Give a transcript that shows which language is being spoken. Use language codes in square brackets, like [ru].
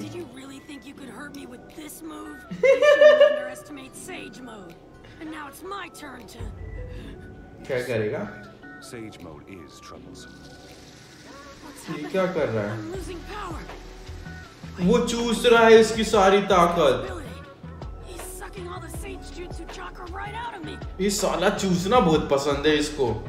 [en] Did you really think you could hurt me with this move? You underestimate Sage Mode. And now it's my turn to. [hi] क्या करेगा? [en] Sage Mode is troublesome. [hi] ये क्या कर रहा है? वो चूस रहा है इसकी सारी ताकत। [en] He's sucking all the Sage Jutsu chakra right out of me. [hi] ये साला चूसना बहुत पसंद है इसको।